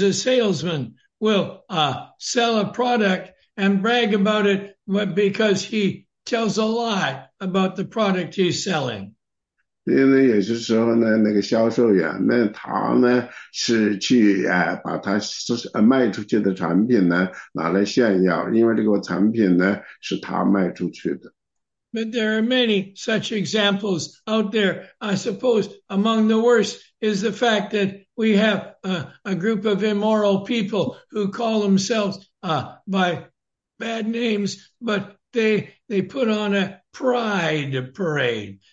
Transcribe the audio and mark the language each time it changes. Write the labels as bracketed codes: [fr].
[en] a salesman will sell a product and brag about it because he tells a lie about the product he's selling. [zh] 因为有些时候呢，那个销售员呢，他呢是去把他卖出去的产品呢拿来炫耀，因为这个产品呢是他卖出去的。 [en] But there are many such examples out there. I suppose among the worst is the fact that we have a group of immoral people who call themselves by bad names, but they put on a pride parade.